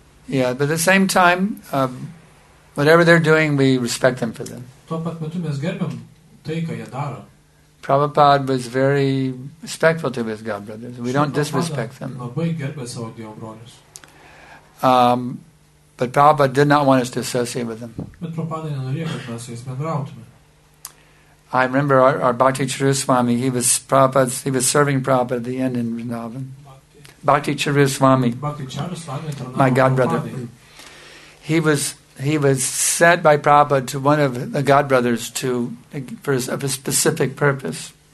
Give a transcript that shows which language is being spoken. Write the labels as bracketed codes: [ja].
[en] Yeah, but at the same time, whatever they're doing, we respect them for them. [lt] Tuo pat metu mes gerbiam tai, ką jie daro. [en] Prabhupada was very respectful to his god brothers. We don't disrespect them. [lt] Labai gerbė savo dievo brolius. [en] But Prabhupada did not want us to associate with them. [lt] Bet Prabhupada nenorėjo, kad mes su jais bendrautume. [en] I remember our Bhakti Charuswami, he was serving Prabhupada at the end in Vrindavan. Bhakti Charuswami, my godbrother. He was sent by Prabhupada to one of the godbrothers for a specific purpose.